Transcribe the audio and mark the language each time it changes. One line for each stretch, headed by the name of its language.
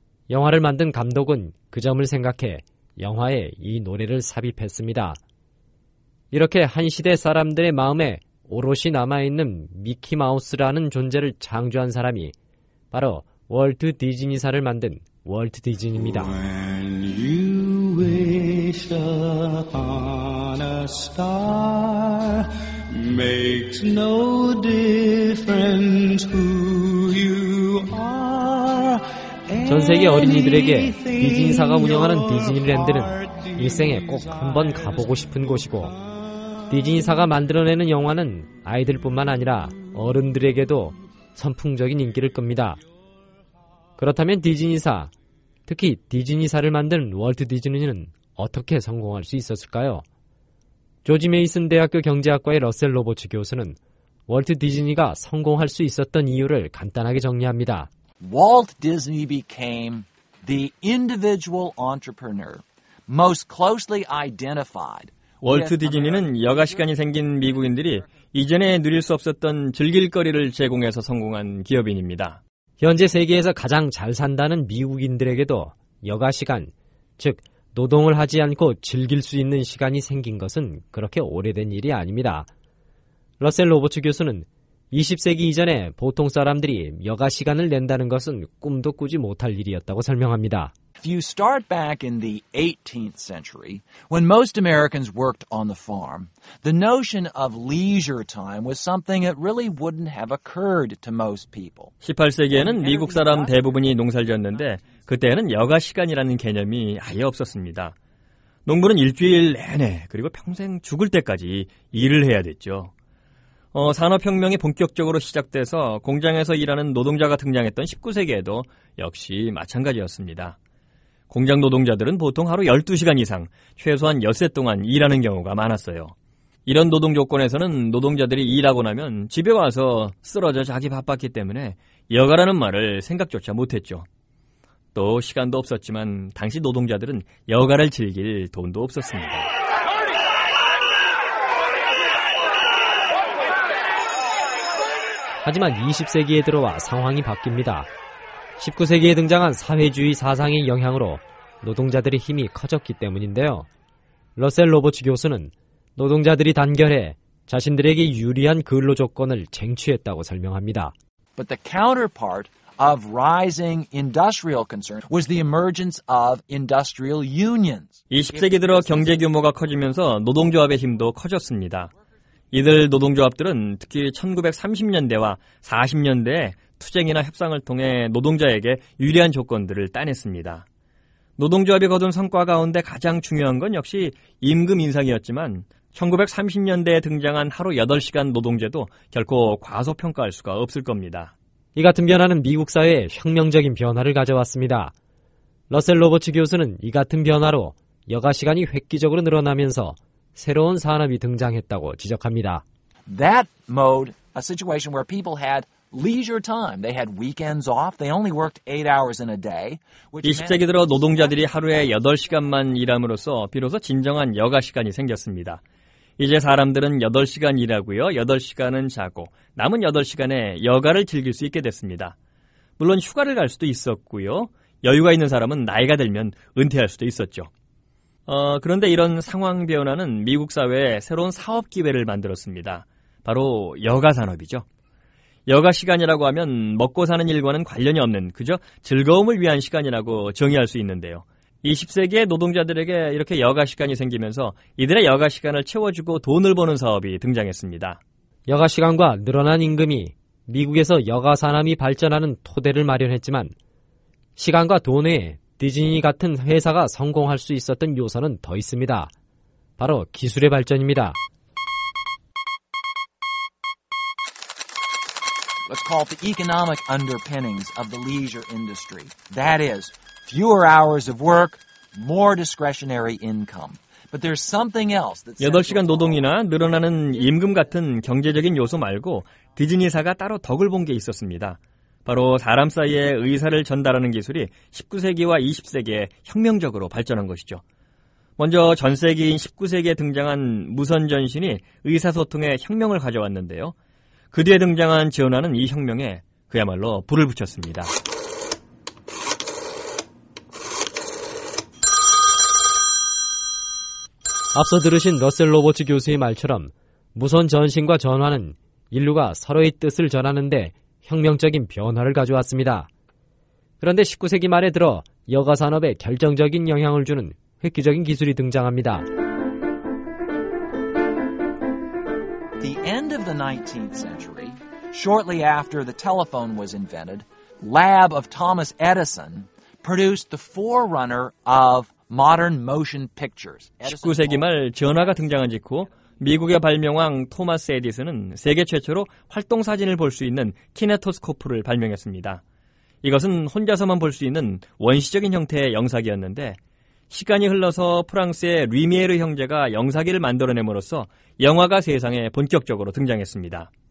Korean: 영화를 만든 감독은 그 점을 생각해 영화에 이 노래를 삽입했습니다. 이렇게 한 시대 사람들의 마음에 오롯이 남아있는 미키마우스라는 존재를 창조한 사람이 바로 월트 디즈니사를 만든 월트 디즈니입니다.
English: When you wish upon a star, makes no difference who you are.
Korean: 전 세계 어린이들에게 디즈니사가 운영하는 디즈니랜드는 일생에 꼭 한번 가보고 싶은 곳이고 디즈니사가 만들어내는 영화는 아이들뿐만 아니라 어른들에게도 선풍적인 인기를 끕니다. 그렇다면 디즈니사, 특히 디즈니사를 만든 월트 디즈니는 어떻게 성공할 수 있었을까요? 조지 메이슨 대학교 경제학과의 러셀 로버츠 교수는 월트 디즈니가 성공할 수 있었던 이유를 간단하게 정리합니다.
English: Walt Disney became the individual entrepreneur most closely identified.
Korean: 월트 디즈니는 여가 시간이 생긴 미국인들이 이전에 누릴 수 없었던 즐길거리를 제공해서 성공한 기업인입니다. 현재 세계에서 가장 잘 산다는 미국인들에게도 여가 시간, 즉 노동을 하지 않고 즐길 수 있는 시간이 생긴 것은 그렇게 오래된 일이 아닙니다. 러셀 로버츠 교수는 20세기 이전에 보통 사람들이 여가 시간을 낸다는 것은 꿈도 꾸지 못할 일이었다고 설명합니다.
English: If you start back in the 18th century, when most Americans worked on the farm, the notion of leisure time was something that really wouldn't have occurred to most people.
Korean: 18세기에는 미국 사람 대부분이 농사를 지었는데 그때는 여가 시간이라는 개념이 아예 없었습니다. 농부는 일주일 내내 그리고 평생 죽을 때까지 일을 해야 됐죠. 산업혁명이 본격적으로 시작돼서 공장에서 일하는 노동자가 등장했던 19세기에도 역시 마찬가지였습니다. 공장 노동자들은 보통 하루 12시간 이상, 최소한 엿새 동안 일하는 경우가 많았어요. 이런 노동 조건에서는 노동자들이 일하고 나면 집에 와서 쓰러져 자기 바빴기 때문에 여가라는 말을 생각조차 못했죠. 또 시간도 없었지만 당시 노동자들은 여가를 즐길 돈도 없었습니다. 하지만 20세기에 들어와 상황이 바뀝니다. 19세기에 등장한 사회주의 사상의 영향으로 노동자들의 힘이 커졌기 때문인데요. 러셀 로버츠 교수는 노동자들이 단결해 자신들에게 유리한 근로 조건을 쟁취했다고 설명합니다.
English: But the counterpart of rising industrial concern was the emergence of industrial unions.
Korean: 20세기 들어 경제 규모가 커지면서 노동조합의 힘도 커졌습니다. 이들 노동조합들은 특히 1930년대와 40년대에 투쟁이나 협상을 통해 노동자에게 유리한 조건들을 따냈습니다. 노동조합이 거둔 성과 가운데 가장 중요한 건 역시 임금 인상이었지만 1930년대에 등장한 하루 8시간 노동제도 결코 과소평가할 수가 없을 겁니다. 이 같은 변화는 미국 사회에 혁명적인 변화를 가져왔습니다. 러셀 로버츠 교수는 이 같은 변화로 여가 시간이 획기적으로 늘어나면서 새로운 산업이 등장했다고 지적합니다.
English: That mode, a situation where people had leisure time. They had weekends off. They only worked 8 hours in a day.
Korean: 20세기 들어 노동자들이 하루에 8시간만 일함으로써 비로소 진정한 여가 시간이 생겼습니다. 이제 사람들은 8시간 일하고요. 8시간은 자고 남은 8시간에 여가를 즐길 수 있게 됐습니다. 물론 휴가를 갈 수도 있었고요. 여유가 있는 사람은 나이가 들면 은퇴할 수도 있었죠. 그런데 이런 상황 변화는 미국 사회에 새로운 사업 기회를 만들었습니다. 바로 여가 산업이죠. 여가 시간이라고 하면 먹고 사는 일과는 관련이 없는 그저 즐거움을 위한 시간이라고 정의할 수 있는데요. 20세기의 노동자들에게 이렇게 여가 시간이 생기면서 이들의 여가 시간을 채워주고 돈을 버는 사업이 등장했습니다. 여가 시간과 늘어난 임금이 미국에서 여가 산업이 발전하는 토대를 마련했지만 시간과 돈 외에 디즈니 같은 회사가 성공할 수 있었던 요소는 더 있습니다. 바로 기술의 발전입니다.
English: Let's call it the economic underpinnings of the leisure industry. That is, fewer hours of work, more discretionary income. But there's something else that's central.
Korean: 8시간 노동이나 늘어나는 임금 같은 경제적인 요소 말고 디즈니사가 따로 덕을 본 게 있었습니다. 바로 사람 사이에 의사를 전달하는 기술이 19세기와 20세기에 혁명적으로 발전한 것이죠. 먼저 전 세기인 19세기에 등장한 무선전신이 의사소통에 혁명을 가져왔는데요. 그 뒤에 등장한 전화는 이 혁명에 그야말로 불을 붙였습니다. 앞서 들으신 러셀 로버츠 교수의 말처럼 무선전신과 전화는 인류가 서로의 뜻을 전하는 데 혁명적인 변화를 가져왔습니다. 그런데 19세기 말에 들어 여가 산업에 결정적인 영향을 주는 획기적인 기술이 등장합니다.
English: The end of the 19th century, shortly after the telephone was invented, lab of Thomas Edison produced the forerunner of modern motion pictures.
Korean: 19세기 말 전화가 등장한 직후 미국의 발명왕 토마스 에디슨은 세계 최초로 활동 사진을 볼 수 있는 키네토스코프를 발명했습니다. 이것은 혼자서만 볼 수 있는 원시적인 형태의 영사기였는데 시간이 흘러서 프랑스의 리미에르 형제가 영사기를 만들어내므로써 영화가 세상에 본격적으로 등장했습니다.